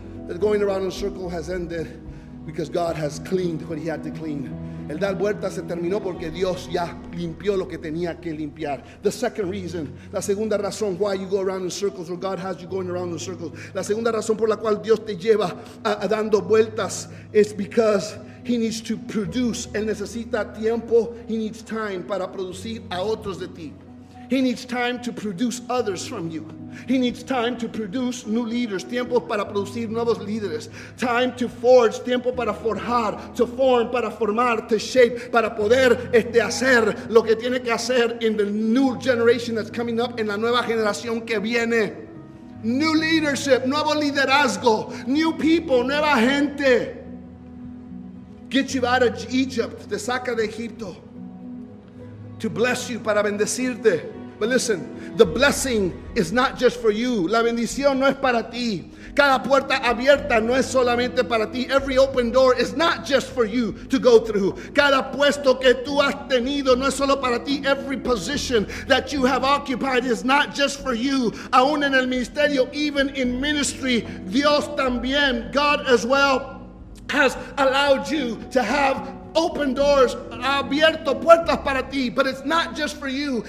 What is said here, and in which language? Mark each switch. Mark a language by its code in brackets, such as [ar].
[en] That going around in a circle has ended because God has cleaned what he had to clean. [es] El dar vueltas se terminó porque Dios ya limpió lo que tenía que limpiar. [en] The second reason, [es] la segunda razón [en] why you go around in circles, or God has you going around in circles, [es] la segunda razón por la cual Dios te lleva a dando vueltas, [en] is because he needs to produce. [es] Él necesita tiempo. [en] He needs time [es] para producir a otros de ti. [en] He needs time to produce others from you. He needs time to produce new leaders. [es] Tiempo para producir nuevos líderes. [en] Time to forge. [es] Tiempo para forjar. [en] To form, [es] para formar, [en] to shape. [es] Para poder hacer lo que tiene que hacer [en] in the new generation that's coming up, [es] en la nueva generación que viene. [en] New leadership, [es] nuevo liderazgo, [en] new people, [es] nueva gente. [en] Get you out of Egypt, [es] te saca de Egipto. [en] To bless you, [es] para bendecirte. [en] But listen, the blessing is not just for you. [es] La bendición no es para ti. Cada puerta abierta no es solamente para ti. [en] Every open door is not just for you to go through. [es] Cada puesto que tú has tenido no es solo para ti. [en] Every position that you have occupied is not just for you. [es] Aún en el ministerio, [en] even in ministry, [es] Dios también, [en] God as well, has allowed you to have open doors, [es] abierto puertas para ti, [en] but it's not just for you.